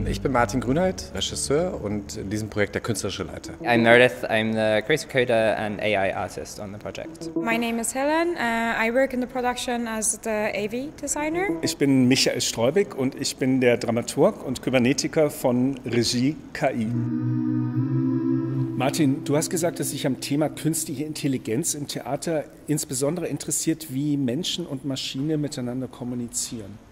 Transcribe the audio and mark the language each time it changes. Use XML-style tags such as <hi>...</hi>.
<de>Martin Grünheit, Regisseur und in diesem Projekt der künstlerische Leiter.</de> <en>I'm Meredith, I'm the creative coder and AI artist on the project. My name is Helen, I work in the production as the AV designer.</en> <de>Ich bin Michael Streubig und ich bin der Dramaturg und Kybernetiker von Regie KI. Martin, du hast gesagt, dass dich am Thema künstliche Intelligenz im Theater insbesondere interessiert, wie Menschen und Maschine miteinander kommunizieren.</de>